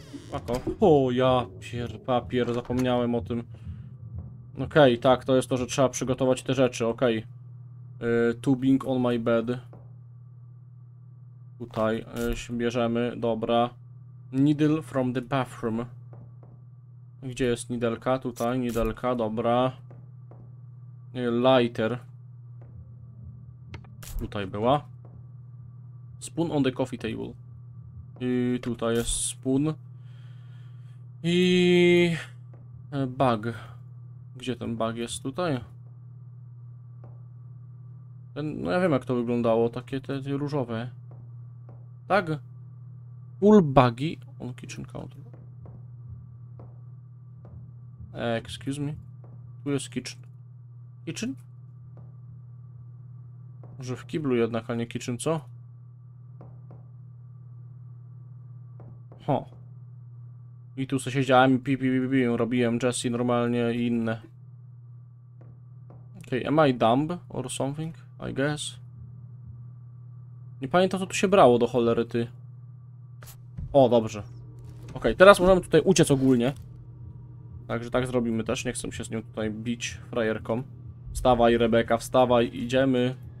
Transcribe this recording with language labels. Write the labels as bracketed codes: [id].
[en] Fuck off. [pl] O, ja papier, zapomniałem o tym. Okej, okay, tak, to jest to, że trzeba przygotować te rzeczy, okej. Okay. [en] Tubing on my bed. [pl] Tutaj się bierzemy, dobra. [en] Needle from the bathroom. [pl] Gdzie jest nidelka? Tutaj, nidelka, dobra. Lighter. Tutaj była. [en] Spoon on the coffee table. [pl] I tutaj jest spoon. I... bug. Gdzie ten bug jest tutaj? No ja wiem jak to wyglądało, takie te różowe. Tak? [en] Full buggy on kitchen counter. Excuse me. [pl] Tu jest [en] kitchen. Kitchen? [pl] Może w kiblu jednak, a nie kitchen, co? Ho. I tu sobie siedziałem i pi, robiłem Jesse normalnie i inne. [en] Okej, okay, am I dumb or something? I guess. [pl] Nie pamiętam co tu się brało do cholery ty. O, dobrze. Okej, okay, teraz możemy tutaj uciec ogólnie. Także tak zrobimy też, nie chcę się z nią tutaj bić frajerką. Wstawaj Rebeka, wstawaj, idziemy.